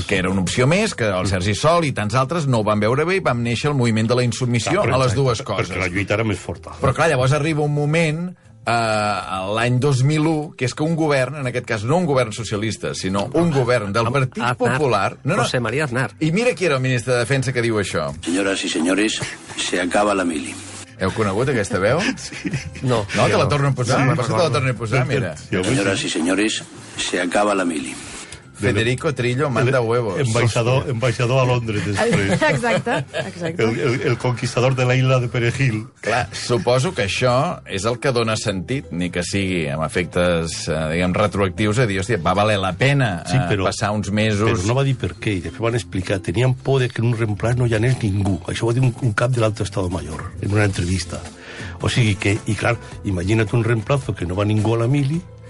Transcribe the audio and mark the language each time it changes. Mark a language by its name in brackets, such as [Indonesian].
[Catalan] Que era una opció més, que el Sergi Sol i tants altres no ho van veure bé i vam néixer el moviment de la insubmissió a les dues coses. Perquè la lluita era més forta. Però clar, llavors arriba un moment, l'any 2001, que és que un govern, en aquest cas no un govern socialista, sinó un govern del Partit Popular... José María Aznar. I mira qui era el ministre de Defensa que diu això. [Spanish] Señoras y señores, se acaba la mili. [Catalan] Heu conegut aquesta veu? Sí. No, te la torno a posar. Sí, per te la torno a posar, mira. [Spanish] Señoras y señores, se acaba la mili. Federico Trillo manda huevos. [Catalan] Embaixador a Londres després. Exacte. [Spanish] El conquistador de la isla de Perejil. [Catalan] Clar, suposo que això és el que dona sentit, ni que sigui amb efectes, diguem, retroactius, a dir, hòstia, va valer la pena passar uns mesos... Però no va dir per què, i després van explicar. Tenien por de que en un reemplaç no hi anés ningú. Això va dir un cap de l'altre estado major, en una entrevista. O sigui que, i clar, imagina't un reemplaç que no va ningú a la mili,